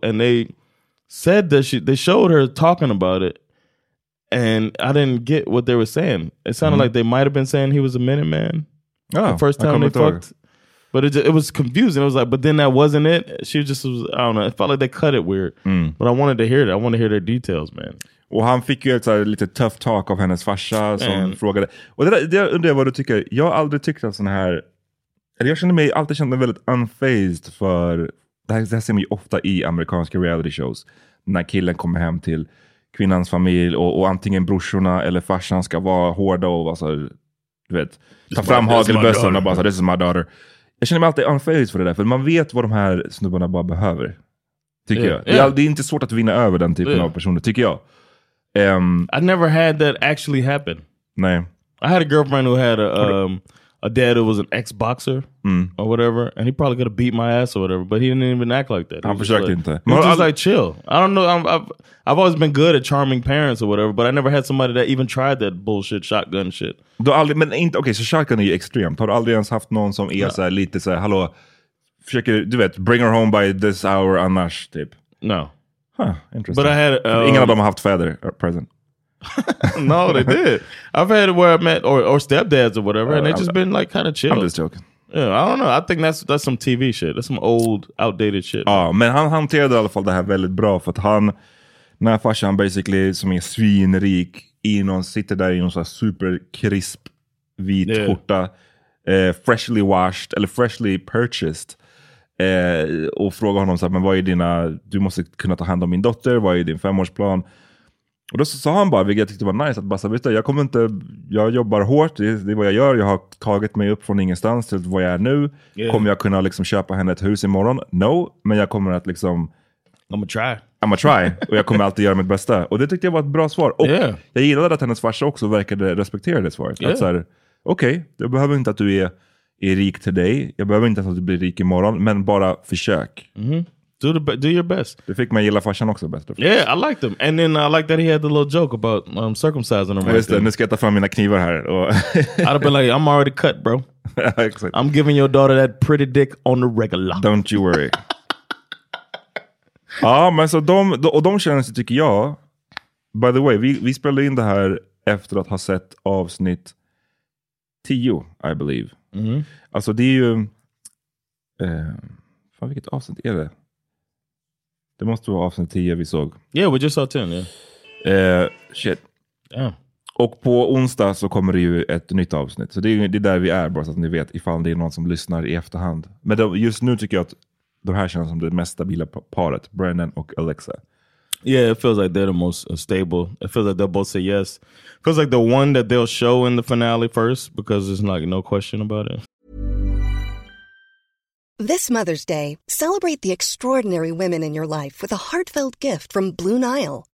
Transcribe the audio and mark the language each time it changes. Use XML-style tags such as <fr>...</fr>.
<en>And they said that they showed her talking about it. And I didn't get what they were saying. It sounded like they might have been saying he was a minute man. Oh, the first time they fucked. But it was confusing. It was like, but then that wasn't it. She just was, I don't know. It felt like they cut it weird. Mm. But I wanted to hear it. I want to hear their details, man.</en> <sv>Och han fick ju ett lite tough talk av hennes farsa som frågade. Och det undrar jag vad du tycker. Jag har aldrig tyckt att sån här... Eller jag känner mig alltid väldigt unfazed för... Det här ser man ju ofta i amerikanska reality shows. När killen kommer hem till kvinnans familj och antingen brorsorna eller farsan ska vara hårda och alltså, du vet, ta fram hagelbössan och bara såhär,</sv> <en>this is my daughter.</en> <sv>Jag känner mig alltid unfazed för det där, för man vet vad de här snubbarna bara behöver, tycker jag. Yeah. Det är inte svårt att vinna över den typen av personer, tycker jag.</sv> <en>I never had that actually happen.</en> <sv>Nej.</sv> <en>I had a girlfriend who had a dad who was an ex-boxer or whatever, and he probably could have beat my ass or whatever, but he didn't even act like that.</en> <sv>Han försökte inte.</sv> <en>He was just like, chill. I don't know, I've always been good at charming parents or whatever, but I never had somebody that even tried that bullshit shotgun shit.</en> <sv>Du aldrig, men inte, okej, så shotgun är ju extremt. Har du aldrig ens haft någon som är såhär lite såhär, hallå, försöker, du vet,</sv> <en>bring her home by this hour</en> <sv>annars, typ?</sv> <en>No. Huh, interesting. But I had...</en> <sv>Ingen av dem har haft fäder present.</sv> <en>No, they did. I've had where I met or stepdads or whatever, and they've just been like kind of chill. I'm just joking. Yeah, I don't know. I think that's some TV shit. That's some old, outdated shit.</en> <sv>Ja, men han hanterade i alla fall det här väldigt bra, för att han, när farsan basically, som är svinrik, sitter där i någon sån här superkrisp vit skjorta,</sv> <en>freshly washed,</en> <sv>eller</sv> <en>freshly purchased,</en> <sv>och frågar honom så här, men vad är dina, du måste kunna ta hand om min dotter, vad är din femårsplan? Och då sa han bara, vilket jag tyckte var nice, att bara, vet du, jag jobbar hårt, det är vad jag gör, jag har tagit mig upp från ingenstans till vad jag är nu. Yeah. Kommer jag kunna liksom köpa henne ett hus imorgon? No, men jag kommer att liksom...</sv> <en>I'm gonna try,</en> <sv>och jag kommer alltid göra mitt bästa. Och det tyckte jag var ett bra svar. Och jag gillade att hennes farsa också verkade respektera det svaret.</sv> <en>Yeah.</en> <sv>Att såhär, okej, jag behöver inte att du är rik till dig, jag behöver inte att du blir rik imorgon, men bara försök.</sv> <en>Mm-hmm. Do your best.</en> <sv>Det fick mig gilla farsan också bäst.</sv> <en>Yeah, I liked him. And then I liked that he had the little joke about circumcising him.</en> <sv>Just det, nu ska jag ta fram mina knivar här.</sv> <en>I'd have been like, I'm already cut, bro. Exactly. I'm giving your daughter that pretty dick on the regular. Don't you worry.</en> <sv>Ja, men så de känns, tycker jag. By the way, vi spelade in det här efter att ha sett avsnitt 10, I believe. Mm-hmm. Alltså det är ju... fan, vilket avsnitt är det? Det måste vara avsnitt 10 vi såg.</sv> <en>Yeah, we just saw 10, yeah. Shit. Yeah.</en> <sv>Och på onsdag så kommer det ju ett nytt avsnitt. Så det är där vi är, bara så att ni vet, ifall det är någon som lyssnar i efterhand. Men just nu tycker jag att de här känns som det mest stabila paret, Brandon och Alexa.</sv> <en>Yeah, it feels like they're the most stable. It feels like they'll both say yes. It feels like the one that they'll show in the finale first, because there's like no question about it. This Mother's Day, celebrate the extraordinary women in your life with a heartfelt gift from Blue Nile.</en>